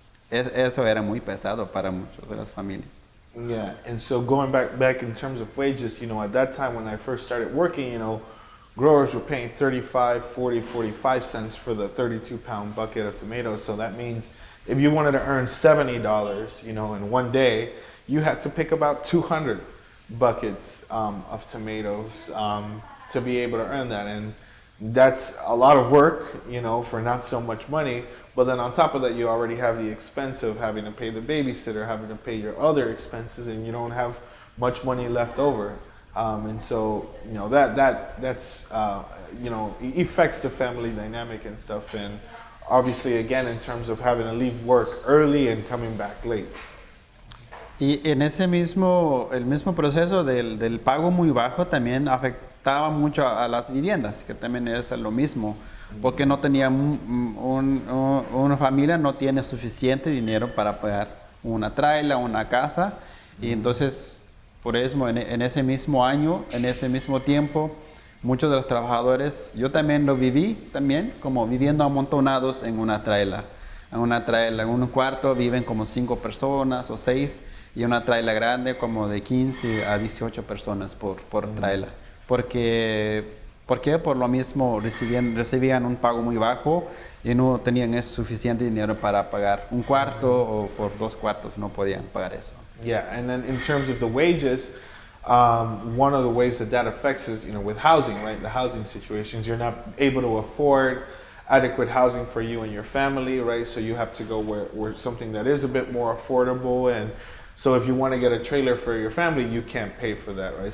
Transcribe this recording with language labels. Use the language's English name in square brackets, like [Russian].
[Spanish] Eso era muy pesado para muchas de las familias. [English] Yeah, and so going back in terms of wages, you know, at that time when I first started working, you know, growers were paying 35, 40, 45 cents for the 32-pound bucket of tomatoes. So that means if you wanted to earn $70, you know, in one day, you had to pick about 200 buckets of tomatoes to be able to earn that. And that's a lot of work, you know, for not so much money. But then on top of that, you already have the expense of having to pay the babysitter, having to pay your other expenses, and you don't have much money left over. And so, you know, that's affects the family dynamic and stuff. And obviously, again, in terms of having to leave work early and coming back late. [Spanish] Y en ese mismo, el mismo proceso del pago muy bajo también afectaba mucho a las viviendas, que también era lo mismo. Porque no tenía una familia no tiene suficiente dinero para pagar una trailer, una casa. Y entonces, por eso, en ese mismo año, en ese mismo tiempo, muchos de los trabajadores, yo también lo viví, también, como viviendo amontonados en una trailer. En una trailer, en un cuarto, viven como 5 personas o 6, y una trailer grande, como de 15 a 18 personas por trailer. Porque por lo mismo recibían un pago muy bajo y no tenían eso suficiente dinero para pagar un cuarto o por dos cuartos no podían pagar eso. [English] Yeah, and then in terms of the wages, one of the ways that affects is, you know, with housing, right? The housing situations, you're not able to afford adequate housing for you and your family, right? So you have to go where something that is a bit more affordable. And so if you want to get a trailer for your family, you can't pay for that, right?